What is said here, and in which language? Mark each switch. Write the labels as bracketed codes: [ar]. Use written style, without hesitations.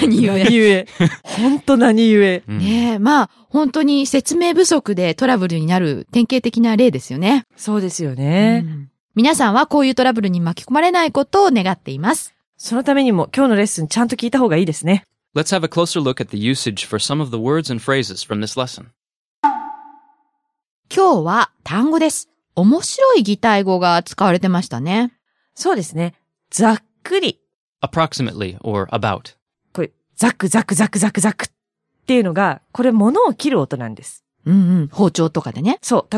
[ja] 何故。本当何故。ねえ、まあ本当に説明不足でトラブルになる典型的な例ですよね。そうですよね、皆さんはこういうトラブルに巻き込まれないことを願っています。そのためにも今日のレッスンちゃんと聞いた方がいいですね。 [en] Let's have a closer look at the usage for some of the words and phrases from this lesson. [ja] 今日は単語です。面白い擬態語が使われてましたね。そうですね。ざっくり。 [en] approximately or about。 [ja] これ、ザクザクザクザクザクっていうのが、これ物を切る音なんです。包丁とかでね。そう。